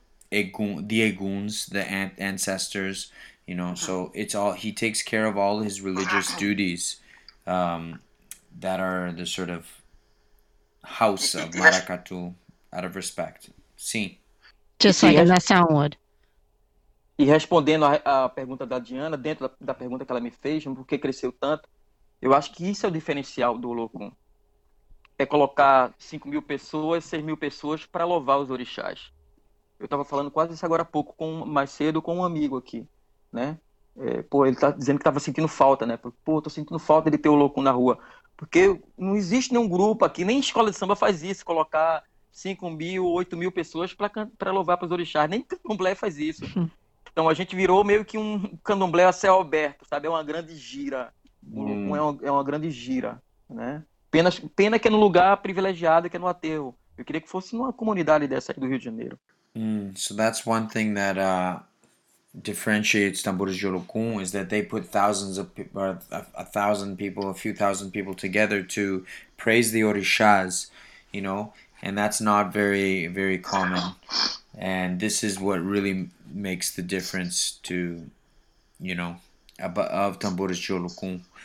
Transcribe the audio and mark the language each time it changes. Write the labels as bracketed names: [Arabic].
[English] Egun, the Eguns, the ancestors, you know, so it's all, he takes care of all his religious duties that are the sort of house of Maracatu, out of respect. [Portuguese] Sim. [English] Just like a nação would. [Portuguese] E respondendo a pergunta da Diana, dentro da pergunta que ela me fez, por que cresceu tanto, eu acho que isso é o diferencial do Olokun. É colocar 5 mil pessoas, 6 mil pessoas para louvar os orixás. Eu estava falando quase isso agora há pouco, mais cedo, com um amigo aqui, né? É, pô, ele está dizendo que estava sentindo falta, né? Pô, estou sentindo falta de ter o Olokun na rua. Porque não existe nenhum grupo aqui, nem escola de samba faz isso, colocar 5 mil, 8 mil pessoas para louvar para os orixás. Nem candomblé faz isso. Então a gente virou meio que um candomblé a céu aberto, sabe? É uma grande gira. O Olokun é uma grande gira, né? Pena que é no lugar privilegiado, que é no aterro. Eu queria que fosse numa comunidade dessa aqui do Rio de Janeiro. [English] So that's one thing that differentiates Tambores de Olokun, is that they put thousands of people, a thousand people, a few thousand people together to praise the orishas, you know, and that's not very, very common. And this is what really makes the difference to, you know, of Tambores de Olokun.